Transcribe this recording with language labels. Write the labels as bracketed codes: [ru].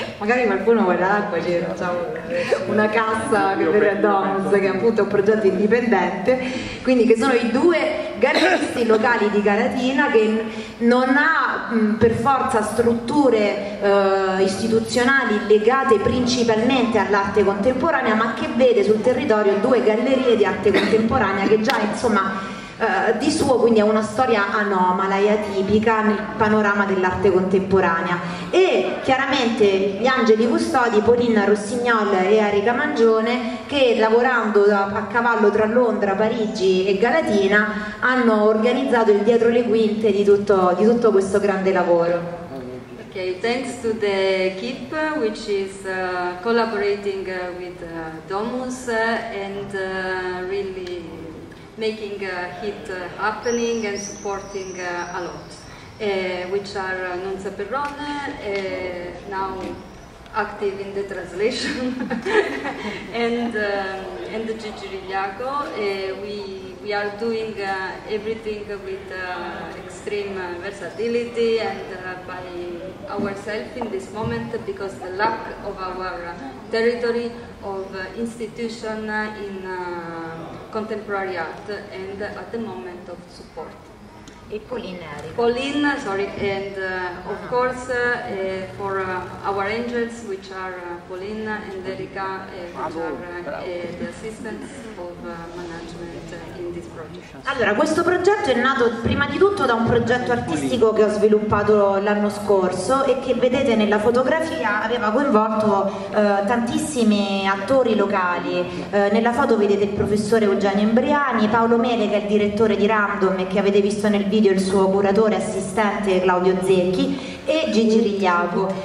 [it] Magari qualcuno vuole l'acqua, ci facciamo una cassa che per Domus, che è appunto un progetto indipendente, quindi che sono i due galeristi locali di Galatina che non ha per forza strutture istituzionali legate principalmente all'arte contemporanea, ma che vede sul territorio due gallerie di arte contemporanea che già insomma di suo quindi è una storia anomala e atipica nel panorama dell'arte contemporanea. E chiaramente gli angeli custodi Paulina Rossignol e Erika Mangione, che lavorando a cavallo tra Londra, Parigi e Galatina hanno organizzato il dietro le quinte di tutto questo grande lavoro. [en] Ok, thanks to the KIP which is collaborating with Domus and really making it happening and supporting a lot, which are Nunzia Perrone, now active in the translation, and Gigi Rigliacco. We are doing everything with extreme versatility and by ourselves in this moment, because the lack of our territory of institution in contemporary art and at the moment of support. And Pauline, Eric. Pauline, sorry, and of course for our angels, which are Pauline and Erika, which are the assistants of management in this project. [it] Allora, questo progetto è nato prima di tutto da un progetto artistico che ho sviluppato l'anno scorso e che vedete nella fotografia aveva coinvolto tantissimi attori locali. Nella foto vedete il professore Eugenio Imbriani, Paolo Mele, che è il direttore di Random e che avete visto nel video, il suo curatore assistente Claudio Zecchi e Gigi Rigliacco.